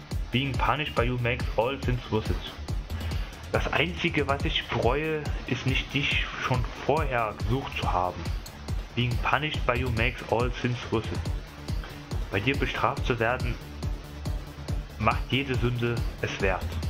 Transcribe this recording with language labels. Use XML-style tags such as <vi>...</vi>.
<en>Being punished by you makes all sins worth it.</en> <de>Das einzige, was ich bereue, ist nicht dich schon vorher gesucht zu haben.</de> <en>Being punished by you makes all sins worth it.</en> <de>Bei dir bestraft zu werden, macht jede Sünde es wert.</de>